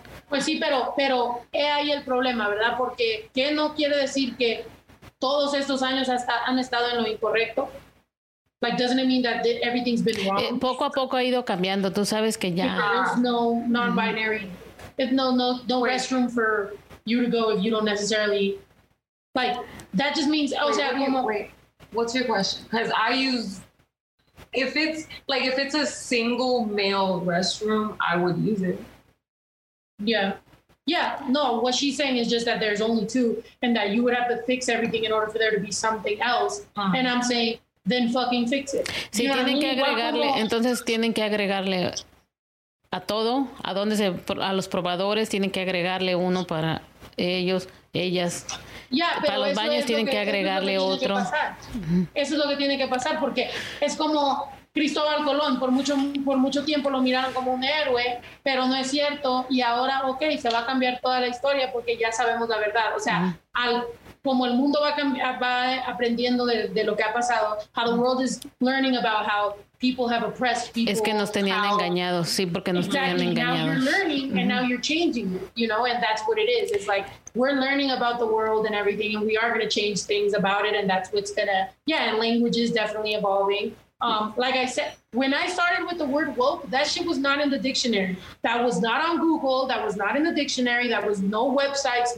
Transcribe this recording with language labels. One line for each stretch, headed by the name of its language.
Spanish: Pues sí, pero he ahí el problema, ¿verdad? Porque ¿qué no quiere decir que todos estos años han estado en lo incorrecto?
English: Like, doesn't it mean that everything's been wrong?
Spanish: Poco a poco ha ido cambiando. Tú sabes que ya...
English: There's no non-binary. Mm-hmm. No restroom for you to go if you don't necessarily... Like, that just means... What's your question? Because I use... If it's a single male restroom, I would use it. Yeah. Yeah, no, what she's saying is just that there's only two and that you would have to fix everything in order for there to be something else. Uh-huh. And I'm saying... Then fucking fix it.
Spanish: Sí, tienen que agregarle. Entonces tienen que agregarle a todo, a los probadores tienen que agregarle uno para ellos, ellas.
English: Yeah,
Spanish: para los baños tienen que agregarle otro. Eso es lo que tiene que pasar porque es como Cristóbal Colón. Por mucho tiempo lo miraron como un héroe, pero no es cierto. Y ahora, okay, se va a cambiar toda la historia porque ya sabemos la verdad. O sea, como el mundo va aprendiendo de lo que ha pasado,
English: how the world is learning about how people have oppressed people.
Spanish: Es que nos tenían engañados, sí, porque nos tenían engañados.
English: Now you're learning, mm-hmm. and now you're changing, you know, and that's what it is. It's like, we're learning about the world and everything, and we are going to change things about it, and that's what's going to, yeah, and language is definitely evolving. Like I said, when I started with the word woke, that shit was not in the dictionary. That was not on Google. That was not in the dictionary. That was no websites.